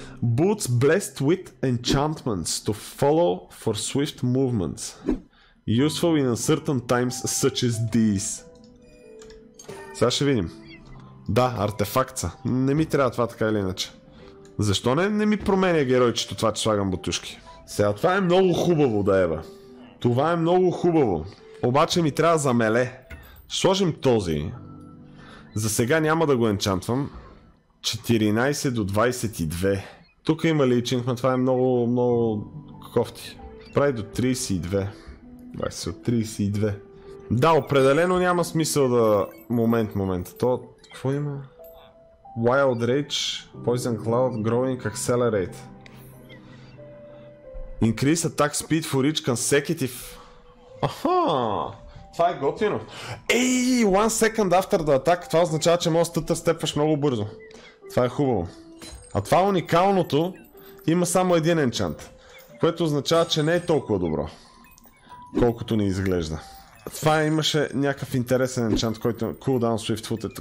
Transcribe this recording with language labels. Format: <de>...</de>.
<en>Boots blessed with enchantments to follow for swift movements. Useful in uncertain times such as these.</en> <bg>Сега ще видим. Да, артефакт са. Не ми трябва това така или иначе. Защо не ми променя геройчето това, че слагам бутушки? Сега, това е много хубаво, да ева. Това е много хубаво. Обаче ми трябва за меле. Сложим този. За сега няма да го енчантвам. 14 до 22. Тук има личинг, но това е много, много кофти. Прави до 32. 20 от 32. Да, определено няма смисъл да... Момент. То... Какво има? Wild Rage, Poison Cloud, Growing Accelerate.</bg> <en>Increase Attack Speed for each consecutive.</en> <bg>Аха! Това е готино.</bg> <en>Ей, one second after the attack.</en> <bg>Това означава, че може да тътър степваш много бързо. Това е хубаво. А това уникалното има само един енчант. Което означава, че не е толкова добро. Колкото ни изглежда. Това имаше някакъв интересен енчант, който е Cooldown Swift Footed.</bg>